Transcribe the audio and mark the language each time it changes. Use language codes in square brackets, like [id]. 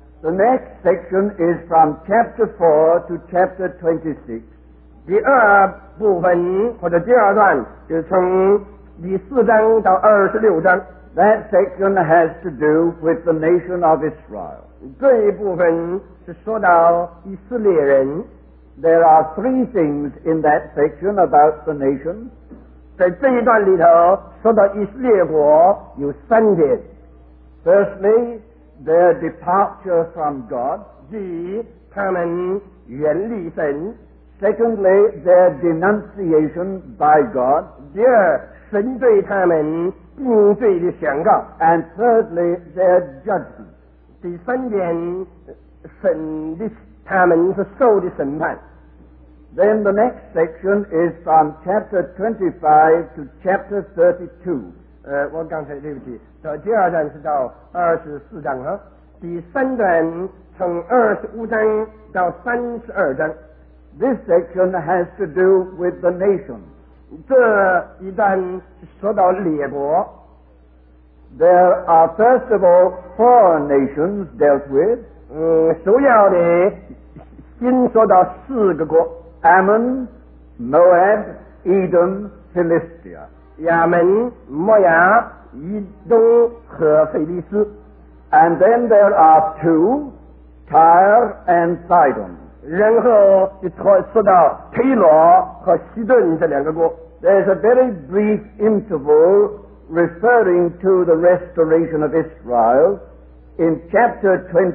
[en] the next section is from chapter 4 to chapter 26 [zh] 第二部分或者第二段就是从第四章到二十六章 [en] that section has to do with the nation of Israel [zh] 这一部分是说到以色列人 [en] There are three things in that section about the nation [zh] 在这一段里头说到以色列国有三点 [en] Firstly, their departure from God [zh] 即他们远离神 [en] Secondly, their denunciation by God [zh] 第二神对他们定罪的宣告 [en] And thirdly, their judgment [zh] 第三点审的他们是受的审判 [en] then the next section is from chapter 25 to chapter 32 [zh] 我刚才对不起到第二段是到二十四章啊第三段从二十五章到三十二章 [en] this section has to do with the nation [zh] 这一段说到列国 [en] There are first of all four nations dealt with. [zh] 首要的先说到四个国 [en] Ammon, Moab, Edom, Philistia. [zh] 亚门、摩押、以东和腓力斯 [en] And then there are two, Tyre and Sidon. [zh] 然后就说到忒罗和西顿这两个国 [en] There's a very brief interval. Referring to the restoration of Israel in chapter